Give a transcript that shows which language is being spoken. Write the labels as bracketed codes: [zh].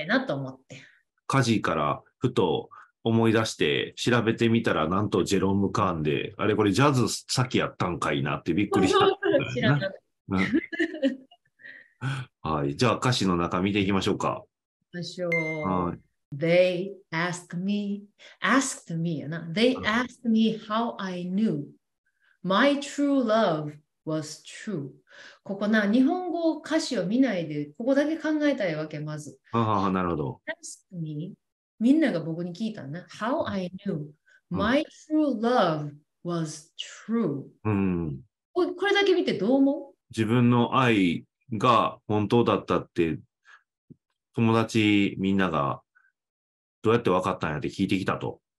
[ja] いなと思って。歌詞からふと思い出して調べてみたら、なんとジェローム・カーンで、あれこれジャズ先やったんかいなってびっくりした。知らない。はい、じゃあ歌詞の中見ていきましょうか。ましょう。 [en] They asked me, asked me, they asked me how I knew my true love was true。 [ja] ここな、日本語歌詞を見ないでここだけ考えたいわけ、まず。ああ、なるほど。 [en] Ask me、 [ja] みんなが僕に聞いたな、 [en] How I knew My true love was true、 [ja] うん、これだけ見てどう思う？自分の愛が本当だったって友達みんながどうやって分かったんやって聞いてきたと。